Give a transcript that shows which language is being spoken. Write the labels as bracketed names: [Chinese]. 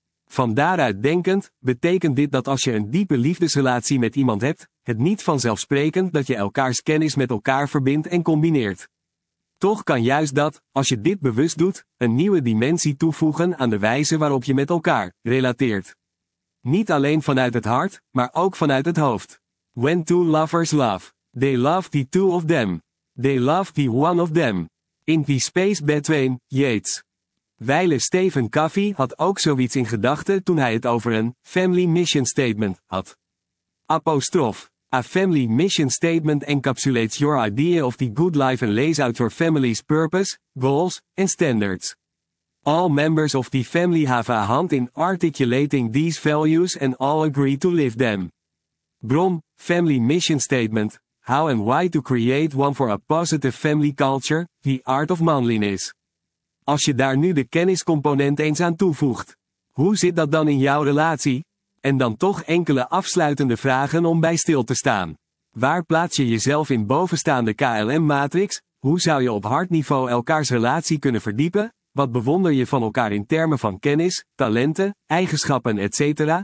[Dutch] Van daaruit denkend, betekent dit dat als je een diepe liefdesrelatie met iemand hebt, het niet vanzelfsprekend dat je elkaars kennis met elkaar verbindt en combineert. Toch kan juist dat, als je dit bewust doet, een nieuwe dimensie toevoegen aan de wijze waarop je met elkaar relateert. Niet alleen vanuit het hart, maar ook vanuit het hoofd. [English] When two lovers love, they love the two of them. They love the one of them. In the space between, Yeats. [Dutch] Wijle Stephen Covey had ook zoiets in gedachten toen hij het over een family mission statement had. Apostrof. [English] A family mission statement encapsulates your idea of the good life and lays out your family's purpose, goals, and standards. All members of the family have a hand in articulating these values and all agree to live them. Bron, family mission statement, how and why to create one for a positive family culture, the art of manliness. [Dutch] Als je daar nu de kenniscomponent eens aan toevoegt, hoe zit dat dan in jouw relatie? En dan toch enkele afsluitende vragen om bij stil te staan. Waar plaats je jezelf in bovenstaande KLM-matrix? Hoe zou je op hartniveau elkaars relatie kunnen verdiepen? Wat bewonder je van elkaar in termen van kennis, talenten, eigenschappen, etc.?